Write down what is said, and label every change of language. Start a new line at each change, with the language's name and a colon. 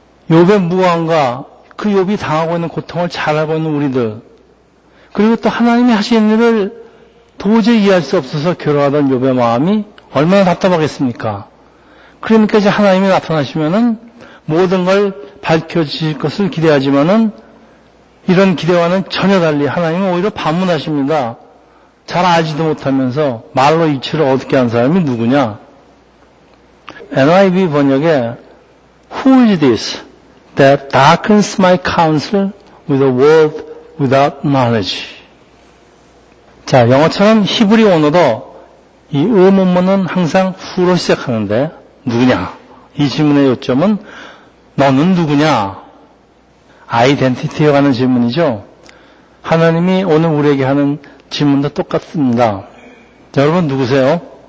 Korean: 욥의 무언가, 그 욥이 당하고 있는 고통을 잘 알고 있는 우리들, 그리고 또 하나님이 하시는 일을 도저히 이해할 수 없어서 괴로워하던 욥의 마음이 얼마나 답답하겠습니까? 그러니까 이제 하나님이 나타나시면은 모든 걸 밝혀주실 것을 기대하지만은 이런 기대와는 전혀 달리 하나님은 오히려 반문하십니다. 잘 알지도 못하면서 말로 이치를 어둡게 한 사람이 누구냐?
English: NIV
Korean: 번역에
English: Who is this that darkens my counsel with a word without knowledge?
Korean: 자, 영어처럼 히브리 언어도 이 의문문은 항상 후로 시작하는데 누구냐? 이 질문의 요점은 너는 누구냐? 아이덴티티에 관한 질문이죠. 하나님이 오늘 우리에게 하는 질문도 똑같습니다. 자, 여러분 누구세요?